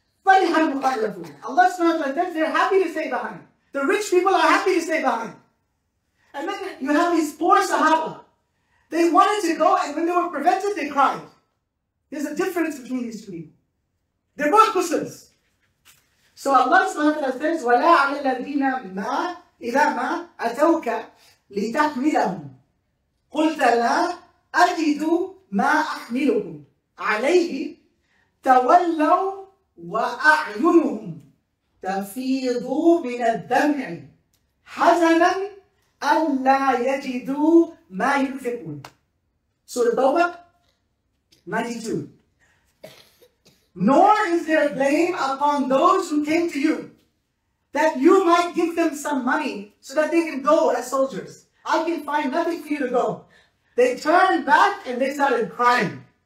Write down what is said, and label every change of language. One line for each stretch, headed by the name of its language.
English: Allah subhanahu wa ta'ala says they're happy to stay behind. The rich people are happy to stay behind. And then you have these poor Sahaba. They wanted to go, and when they were prevented, they cried. There's a difference between these two people. They're both Muslims. So Allah subhanahu wa ta'ala says,
Arabic: وَلَا عَلَى الَّذِينَ مَا إِذَا مَا أَتَوْكَ لِتَحْمِلَهُمْ قُلْتَ لَا أَجِدُ مَا أَحْمِلُهُمْ عَلَيْهِ تَوَلَّوْا وَأَعْيُنُهُمْ تَفِيضُ مِنَ الدَّمْعِ حَزَنًا أَلَّا يَجِدُوا مَا يُنْفِقُونَ.
English: Surah Tawbah 92. Nor is there blame upon those who came to you, that you might give them some money so that they can go as soldiers. I can find nothing for you to go. They turned back and they started crying.